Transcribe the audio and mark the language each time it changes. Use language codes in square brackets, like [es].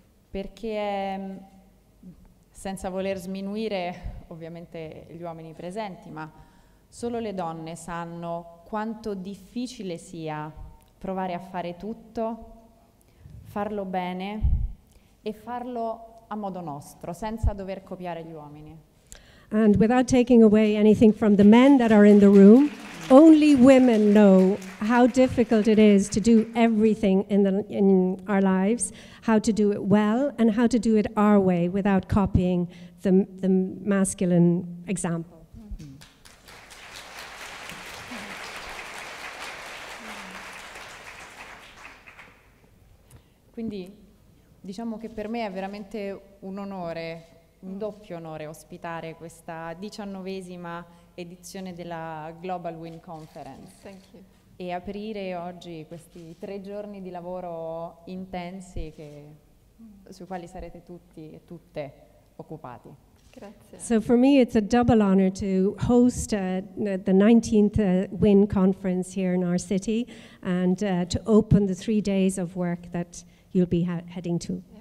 [it] Perché senza voler sminuire ovviamente gli uomini presenti, ma solo le donne sanno quanto difficile sia provare a fare tutto, farlo bene e farlo a modo nostro, senza dover copiare gli uomini. [en] And without taking away anything from the men that are in the room, only women know how difficult it is to do everything in our lives, how to do it well, and how to do it our way without copying the masculine example. Mm-hmm. [it] Quindi, diciamo che per me è veramente un onore. Un doppio onore ospitare questa 19ª edizione della Global WIN Conference. [en] Thank you. [it] E aprire oggi questi 3 giorni di lavoro intensi sui quali sarete tutti e tutte occupati. Grazie. [en] So for me it's a double honor to host the 19th WIN Conference here in our city and to open the 3 days of work that you'll be heading to.